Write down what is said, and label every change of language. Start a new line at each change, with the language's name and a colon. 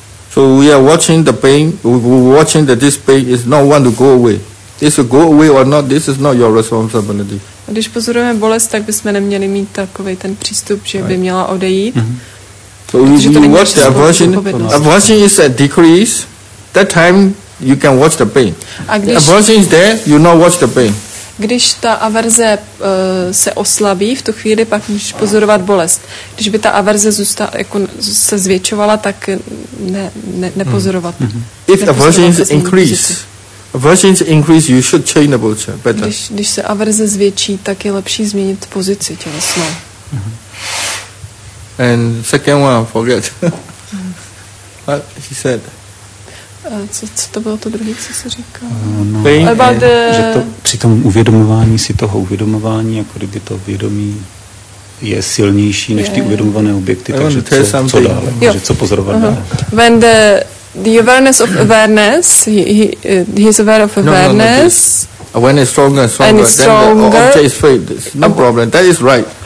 English: So we are watching the pain, watching that this pain is not one to go away. It's a go away or not, this is not your responsibility.
Czech: A když pozorujeme bolest, tak bychom neměli mít takový ten přístup, že by měla odejít.
English: So you watch the aversion. Aversion is a decrease. That time you can watch the pain. Aversion is there, you not watch the pain.
Czech: Když ta averze se oslabí, v tu chvíli pak můžeš pozorovat bolest. Když by ta averze se zvětšovala, tak nepozorovat.
English: If the aversion is increased, aversion increase, you should change the posture. Better.
Czech: Když se averze zvětší, tak je lepší změnit pozici tělesnou.
English: And second one, forget. What he said.
Czech: Co to bylo to druhé, co jsi říkal? Že to při tom uvědomování si toho uvědomování, jako kdyby to vědomí je silnější než ty uvědomované objekty, takže co dále, že co pozorovat dále.
English: When the awareness of awareness, he is aware of awareness. Awareness is stronger and stronger, then the object is free, there's no problem, that is right.